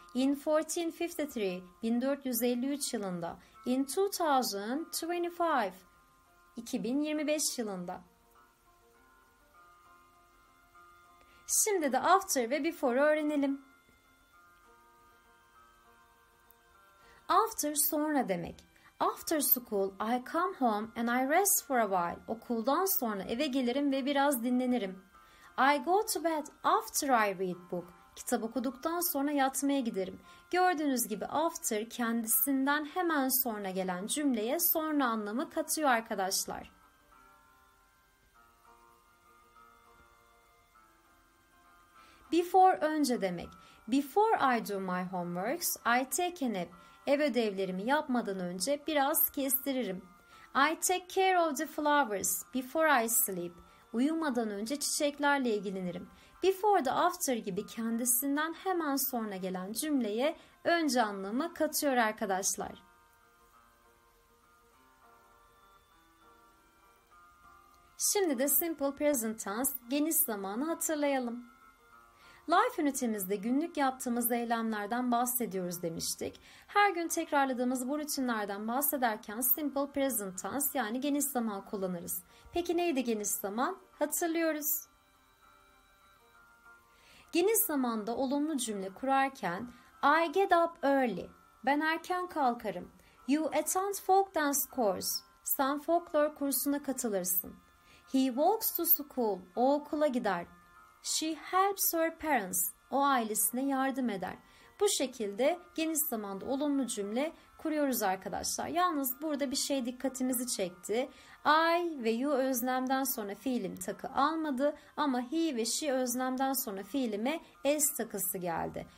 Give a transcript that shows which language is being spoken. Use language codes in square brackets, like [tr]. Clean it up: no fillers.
[en] In 1453, [tr] 1453 yılında. [en] In 2025, [tr] 2025 yılında. Şimdi de after ve before öğrenelim. After sonra demek. [en] After school, I come home and I rest for a while. [tr] Okuldan sonra eve gelirim ve biraz dinlenirim. [en] I go to bed after I read book. [tr] Kitap okuduktan sonra yatmaya giderim. Gördüğünüz gibi after kendisinden hemen sonra gelen cümleye sonra anlamı katıyor arkadaşlar. Before önce demek. [en] Before I do my homeworks, I take a nap. [tr] Ev ödevlerimi yapmadan önce biraz kestiririm. [en] I take care of the flowers before I sleep. [tr] Uyumadan önce çiçeklerle ilgilenirim. Before the after gibi kendisinden hemen sonra gelen cümleye önce anlamı katıyor arkadaşlar. Şimdi de simple present tense, geniş zamanı hatırlayalım. Life ünitemizde günlük yaptığımız eylemlerden bahsediyoruz demiştik. Her gün tekrarladığımız bu rutinlerden bahsederken simple present tense, yani geniş zaman kullanırız. Peki neydi geniş zaman? Hatırlıyoruz. Geniş zamanda olumlu cümle kurarken [en] I get up early. [tr] Ben erken kalkarım. [en] You attend folk dance course. [tr] Sen folklor kursuna katılırsın. [en] He walks to school. [tr] O okula gider. [en] She helps her parents. [tr] O ailesine yardım eder. Bu şekilde geniş zamanda olumlu cümle kuruyoruz arkadaşlar. Yalnız burada bir şey dikkatimizi çekti. I ve you özlemden sonra fiilim takı almadı ama he ve she özlemden sonra fiilime s takısı geldi.